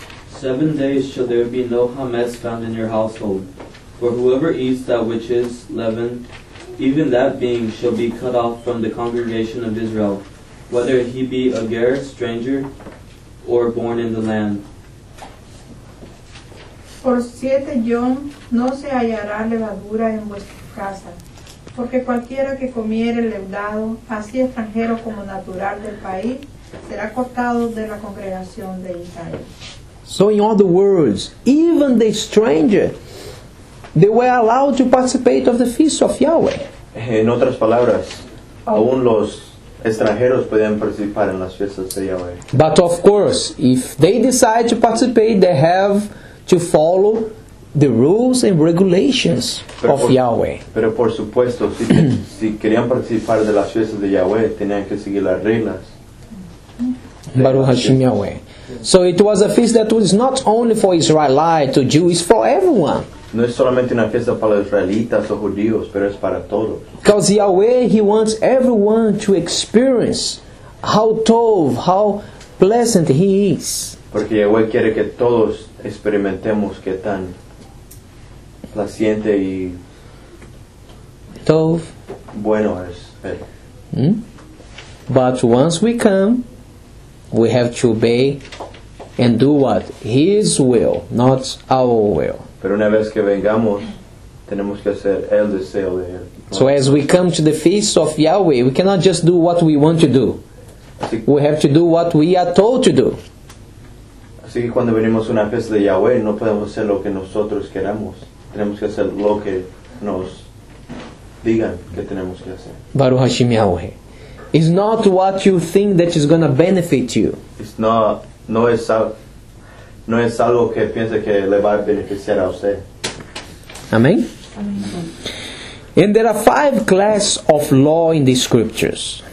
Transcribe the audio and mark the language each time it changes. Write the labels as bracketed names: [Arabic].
[English] Seven days shall there be no hametz found in your household. For whoever eats that which is leavened, even that being shall be cut off from the congregation of Israel, whether he be a ger, stranger, or born in the land. [Spanish] Por siete yom no se hallará levadura en vuestra casa, porque cualquiera que comiere leudado, así extranjero como natural del país, será cortado de la congregación de Israel. [English] So in other words, even the stranger, they were allowed to participate of the feast of Yahweh. [Spanish] En otras palabras, aún los extranjeros podían participar en las fiestas de Yahweh. [English] But of course, if they decide to participate, they have to follow the rules and regulations of Yahweh. [Spanish] Pero por supuesto, si querían participar de las fiestas de Yahweh, tenían que seguir las reglas. [Hebrew] Baruch Hashem Yahweh. [English] So it was a feast that was not only for Israelites or Jews, for everyone. [Spanish] No es solamente una fiesta para israelitas o judíos, pero es para todos. [English] Because Yahweh, He wants everyone to experience how tov, how pleasant He is. [Spanish] Porque Yahweh quiere que todos experimentemos que tan placiente y [Hebrew] tov [Spanish] bueno es. [English] But once we come, we have to obey and do what? His will, not our will. [Spanish] Pero una vez que vengamos, tenemos que hacer el deseo de él. [English] So as we come to the feast of Yahweh, we cannot just do what we want to do. We have to do what we are told to do. [Spanish] Así que cuando venimos a una fiesta de Yahweh, no podemos hacer lo que nosotros queramos. Tenemos que hacer lo que nos digan que tenemos que hacer. Baruch Hashem Yahweh. [English] It's not what you think that is going to benefit you. It's not, [Spanish] no es algo que piensa que le va a beneficiar a usted. [English] Amen? And there are five classes of law in the scriptures.